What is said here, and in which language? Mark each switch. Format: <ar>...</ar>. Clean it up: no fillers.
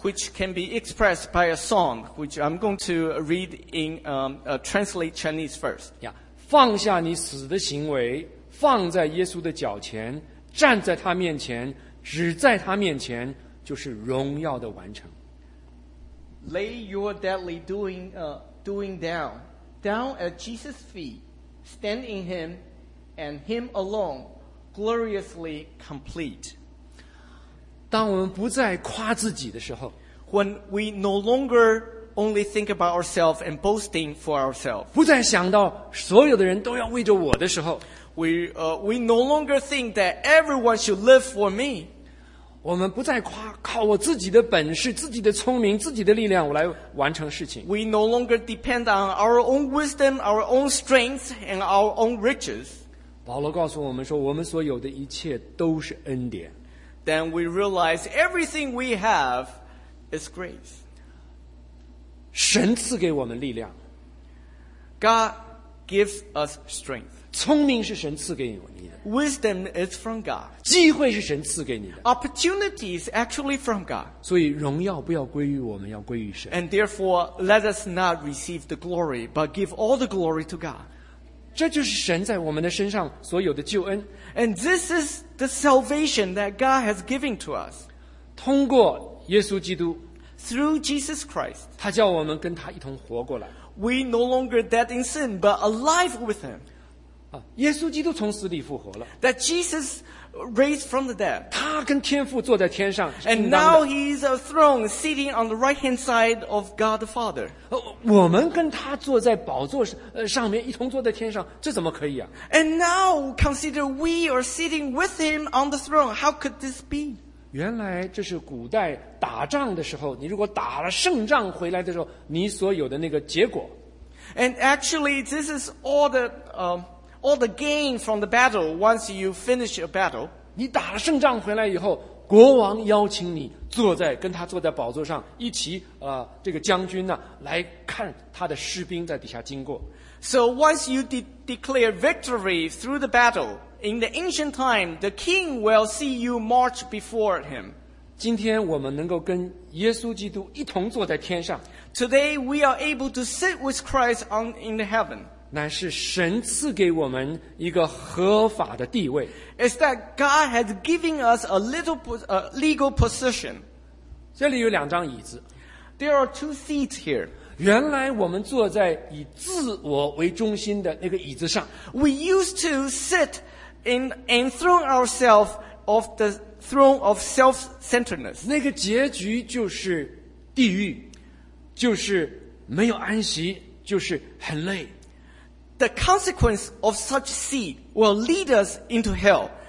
<en>Which can be expressed by a song, which I'm going to read in translate Chinese first.</en> <zh>Yeah, 放下你死的行为，放在耶稣的脚前，站在他面前，只在他面前，就是荣耀的完成。</zh> <en>Lay your deadly doing down, down at Jesus' feet, stand in Him, and Him alone. Gloriously complete.</en> <zh>当我们不再夸自己的时候，</zh> <en>When we no longer only think about ourselves and boasting for ourselves,</en> <zh>不再想到所有的人都要为着我的时候，</zh> <en>we no longer think that everyone should live for me.</en> <zh>我们不再夸靠我自己的本事、自己的聪明、自己的力量我来完成事情。</zh> <en>We no longer depend on our own wisdom, our own strength, and our own riches.</en> <zh>保罗告诉我们说，我们所有的一切都是恩典。</zh> <en>Then we realize everything we have is grace.</en> <zh>神赐给我们力量。</zh> <en>God gives us strength.</en> <zh>聪明是神赐给你的。</zh> <en>Wisdom is from God.</en> <zh>机会是神赐给你的。</zh> <en>Opportunity is actually from God.</en> <zh>所以荣耀不要归于我们，要归于神。</zh> <en>And therefore, let us not receive the glory, but give all the glory to God.</en> <zh>这就是神在我们的身上所有的救恩。</zh> <en>And this is the salvation that God has given to us.</en> <zh>通过耶稣基督。</zh> <en>Through Jesus Christ.</en> <zh>他叫我们跟他一同活过来。</zh> <en>We no longer dead in sin, but alive with him.</en> <zh>耶稣基督从死里复活了。</zh> <en>That Jesus raised from the dead.</en> <zh>他跟天父坐在天上。</zh> <en>And now he is a throne sitting on the right hand side of God the Father.</en> <zh>我们跟他坐在宝座上面，一同坐在天上，这怎么可以啊？</zh> <en>And now consider we are sitting with him on the throne. How could this be?</en> <zh>原来这是古代打仗的时候，你如果打了胜仗回来的时候，你所有的那个结果。</zh> <en>And actually, this is all the gain from the battle once you finish a battle.</en> <zh>你打了胜仗回来以后，国王邀请你坐在跟他坐在宝座上一起，这个将军呢，来看他的士兵在底下经过。</zh> <en>So once you declare victory through the battle, in the ancient time, the king will see you march before him.</en> <zh>今天我们能够跟耶稣基督一同坐在天上。</zh> <en>Today we are able to sit with Christ on in the heaven.</en> <zh>乃是神赐给我们一个合法的地位。</zh> <en>It's that God has given us a legal position.</en> <zh>这里有两张椅子。</zh> <en>There are two seats here.</en> <zh>原来我们坐在以自我为中心的那个椅子上。</zh> <en>We used to sit in enthrone ourselves of the throne of self-centeredness.</en> <zh>那个结局就是地狱，就是没有安息，就是很累。</zh> <en>The consequence of such seed will lead us into hell.</en>